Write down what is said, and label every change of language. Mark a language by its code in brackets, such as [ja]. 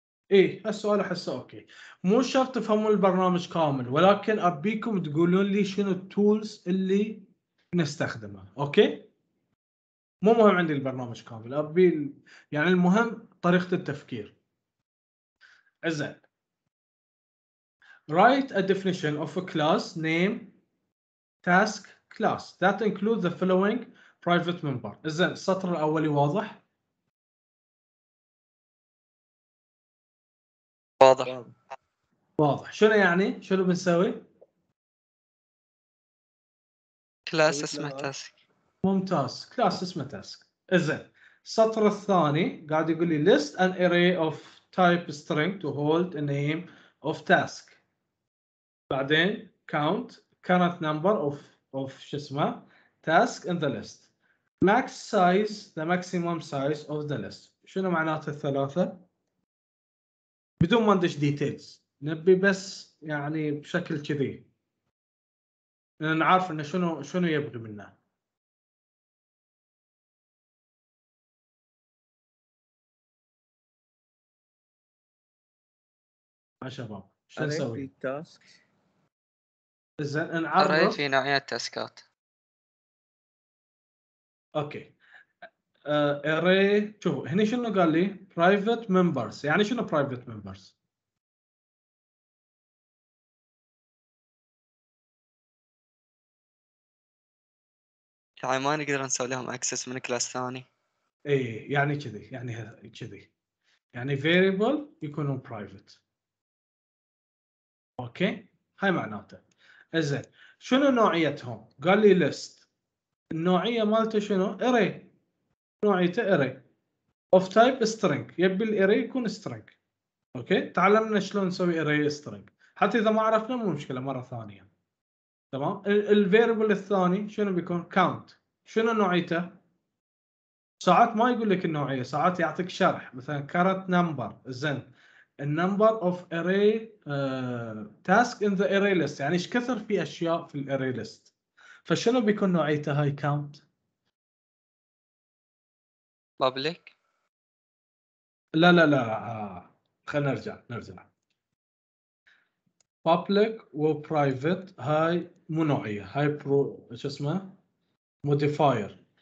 [ar] إيه هالسؤال أحسه أوكي، مو شرط تفهموا البرنامج كامل، ولكن أبيكم تقولون لي شنو التولز اللي نستخدمها. أوكي، مو مهم عندي البرنامج كامل، أبي يعني المهم طريقة التفكير. [en] إذن write a definition of a class name task class that includes the following private member. [ar] إذن السطر الأولي واضح؟ واضح. شنو يعني؟ شنو بنسوي؟ كلاس اسمه تاسك. ممتاز، كلاس اسمه تاسك. إذن السطر الثاني قاعد يقول لي [en] list an array of type string to hold a name of task. [ar] بعدين [en] count current number of [ar] شو اسمه [en] task in the list. Max size the maximum size of the list. [ar] شنو معناته الثلاثة؟ بدون ما ندش details، نبي بس يعني بشكل كذي نعرف إنه شنو يبغي منا. ما شباب شو نسوي؟ إذا نعرف في نوعية تاسكات. أوكي، array شوفوا هنا شنو قال لي private members. يعني شنو private members؟ يعني ما نقدر نسوي لهم access من كلاس ثاني. إيه يعني كذي، يعني كذي، يعني variable يكونون private. أوكي، هاي معناته. إذن شنو نوعيتهم؟ قال لي list. النوعية مالته شنو؟ array. نوعيته array of type string، يبي الarray يكون string. أوكي، تعلمنا شلون نسوي array string، حتى إذا ما عرفنا مو مشكلة مرة ثانية. تمام، ال variable الثاني شنو بيكون؟ count. شنو نوعيته؟ ساعات ما يقول لك النوعية، ساعات يعطيك شرح مثلا current number. زين [en] number of array task in the array list، [ar] يعني ايش كثر في أشياء في [en] الarray list. [ar] فشنو بيكون نوعيته هاي count؟ [en] public. [ar] لا لا لا، خلنا نرجع. public و private هاي مو نوعية، هاي برو شو اسمه modifier.